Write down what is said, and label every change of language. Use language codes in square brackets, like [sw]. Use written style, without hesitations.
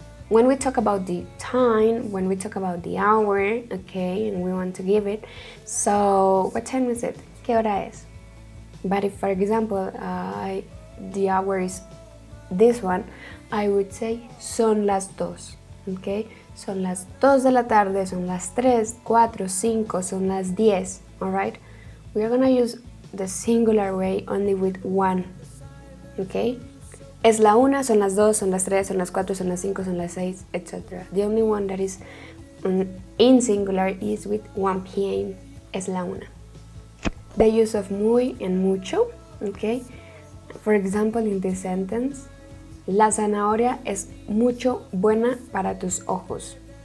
[en] When we talk about the time, when we talk about the hour, okay, and we want to give it, so what time is it? [es] ¿Qué hora es? [en] But if, for example, the hour is this one, I would say [es] son las dos, [en] okay? [es] Son las dos de la tarde, son las tres, cuatro, cinco, son las diez, [en] all right? We are gonna use the singular way only with one, okay? [es] Es la una, son las dos, son las tres, son las cuatro, son las cinco, son las seis, etc. [en] The only one that is in singular is with 1 p.m. [es] Es la una. [en] The use of muy and mucho, okay? For example, in this sentence, [es] la zanahoria es mucho buena para tus ojos.